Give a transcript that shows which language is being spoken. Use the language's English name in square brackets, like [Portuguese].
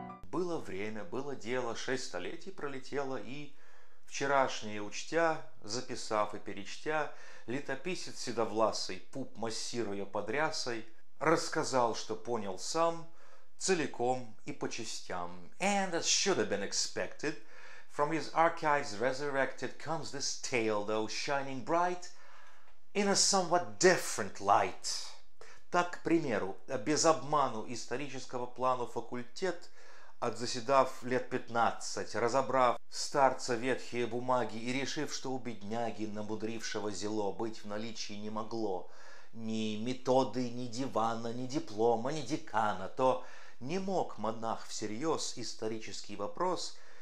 [Russian] Было время, было дело, 6 столетий пролетело, и вчерашнее учтя, записав и перечтя, летописец седовласый, пуп массируя под рясой, рассказал, что понял сам, целиком и по частям. [English] And as should have been expected, from his archives resurrected comes this tale, though shining bright, in a somewhat different light. [Russian] Так, к примеру, без обману исторического плану факультет, отзаседав 15 лет, разобрав старца ветхие бумаги и решив, что у бедняги, намудрившего зело, быть в наличии не могло ни методы, ни дивана, ни диплома, ни декана, то не мог монах всерьез исторический вопрос